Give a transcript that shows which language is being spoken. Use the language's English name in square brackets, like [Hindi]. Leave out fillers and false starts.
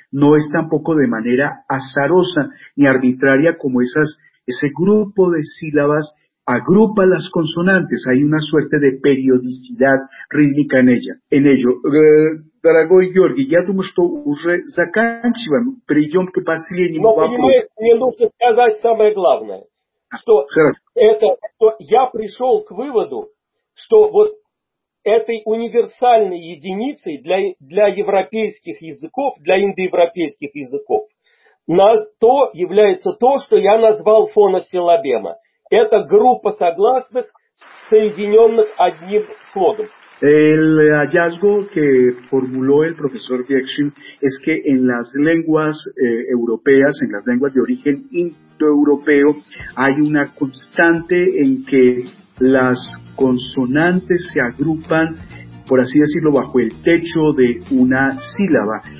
[Spanish] No es tampoco de manera azarosa ni arbitraria como ese grupo de sílabas agrupa las consonantes. Hay una suerte de periodicidad rítmica en ella. En ello, [Russian] дорогой Георгий, я думаю, что уже заканчиваем прием к последнему вопросу. Мне нужно сказать самое главное, что я пришел к выводу, что вот этой универсальной единицей для европейских языков, для индоевропейских языков, является то, что я назвал фоносилабема. Это группа согласных, соединенных одним слогом. [Spanish] El hallazgo que formuló el profesor Diekshin es que en las lenguas europeas, en las lenguas de origen indoeuropeo, hay una constante en que las consonantes se agrupan, por así decirlo, bajo el techo de una sílaba.